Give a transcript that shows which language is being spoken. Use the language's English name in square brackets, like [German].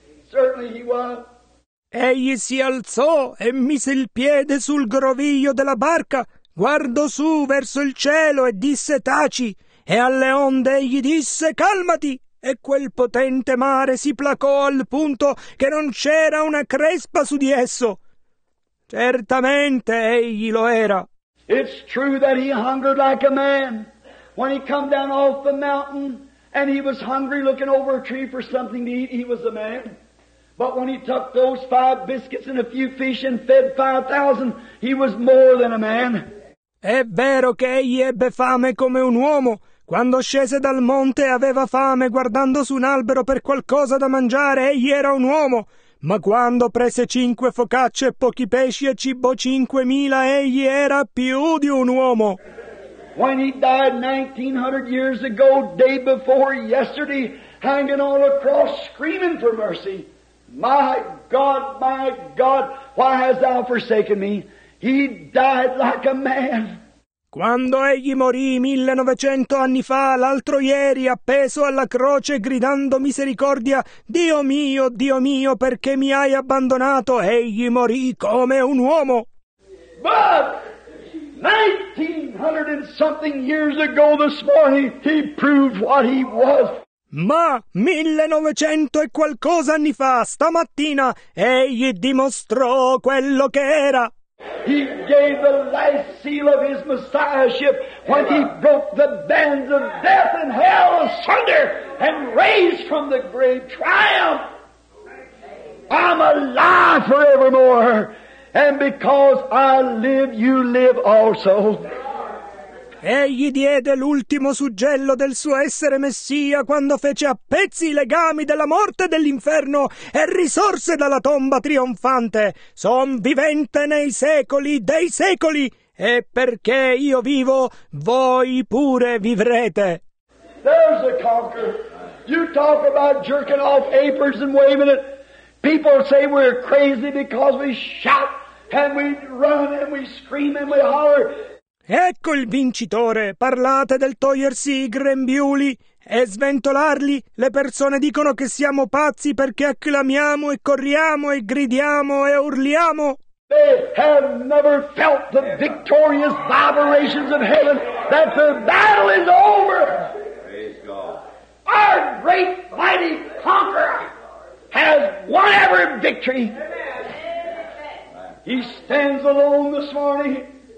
[English] Certainly he was. [Italian] Egli si alzò e mise il piede sul groviglio della barca, guardò su verso il cielo e disse "Taci", e alle onde egli disse "Calmati", e quel potente mare si placò al punto che non c'era una crespa su di esso. Certamente egli lo era. [English] It's true that he hungered like a man when he come down off the mountain and he was hungry looking over a tree for something to eat. He was a man. But when he took those five biscuits and a few fish and fed 5,000, he was more than a man. [Italian] È vero che egli ebbe fame come un uomo. Quando scese dal monte aveva fame, guardando su un albero per qualcosa da mangiare, egli era un uomo. Ma quando prese 5 focacce e pochi pesci e cibo 5,000, egli era più di un uomo. [English] When he died 1,900 years ago, day before yesterday, hanging on a cross, screaming for mercy. My God, why hast thou forsaken me? He died like a man. [Italian] Quando egli morì 1,900 anni fa, l'altro ieri, appeso alla croce, gridando misericordia, Dio mio, perché mi hai abbandonato? Egli morì come un uomo. [English] But 1,900 and something years ago this morning, he proved what he was. [Italian] Ma 1,900 e qualcosa anni fa, stamattina, egli dimostrò quello che era. [English] He gave the last seal of his messiahship when he broke the bands of death and hell asunder and raised from the grave triumph. I'm alive forevermore, and because I live, you live also. [Italian] Egli diede l'ultimo suggello del suo essere Messia quando fece a pezzi i legami della morte e dell'inferno e risorse dalla tomba trionfante. Son vivente nei secoli dei secoli e perché io vivo, voi pure vivrete. [English] There's a conqueror. You talk about jerking off aprons and waving it. People say we're crazy because we shout and we run and we scream and we holler. [Italian] Ecco il vincitore! Parlate del togliersi i grembiuli e sventolarli! Le persone dicono che siamo pazzi perché acclamiamo e corriamo e gridiamo e urliamo! [English] They have never felt the victorious vibrations of heaven, that the battle is over! Our great mighty conqueror has won every victory! He stands alone this morning!